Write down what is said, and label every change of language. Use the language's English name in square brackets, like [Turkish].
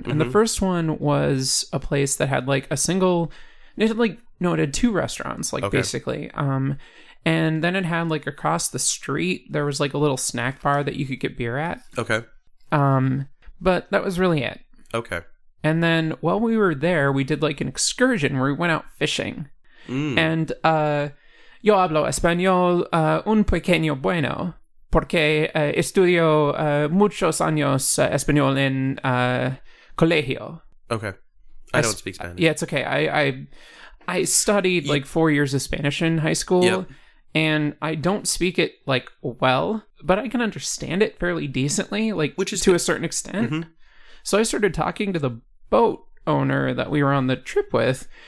[English] Mm-hmm. And the first one was a place that had like a single it had two restaurants, like okay. basically. And then it had like across the street there was like a little snack bar that you could get beer at. Okay. But that was really it. Okay. And then while we were there, we did like an excursion where we went out fishing. Mm. [Spanish] And yo hablo español un pequeño bueno porque estudio muchos años español en colegio. [English] Okay. I don't speak Spanish. Yeah, it's okay. I studied like 4 years of Spanish in high school. Yep. And I don't speak it like well, but I can understand it fairly decently, like which is to a certain extent. Mm-hmm. So I started talking to the boat owner that we were on the trip with.